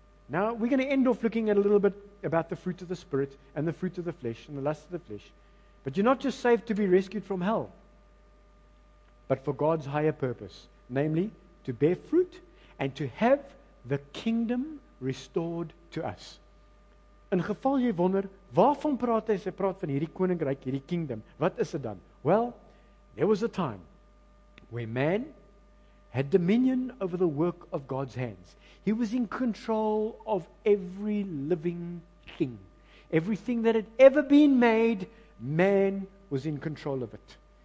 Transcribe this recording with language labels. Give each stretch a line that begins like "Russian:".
English: Now we're going to end off looking at a little bit about the fruit of the Spirit and the fruit of the flesh and the lust of the flesh. But you're not just saved to be rescued from hell, but for God's higher purpose, namely to bear fruit and to have the kingdom restored to us.
Afrikaans: In geval jy wonder, waarvan praat hy? Hy praat van hierdie koninkryk, hierdie kingdom. Wat is dit dan?
English: Well, there was a time where man had dominion over the work of God's hands. He was in control of every living thing. Everything that had ever been made, man was in control of it.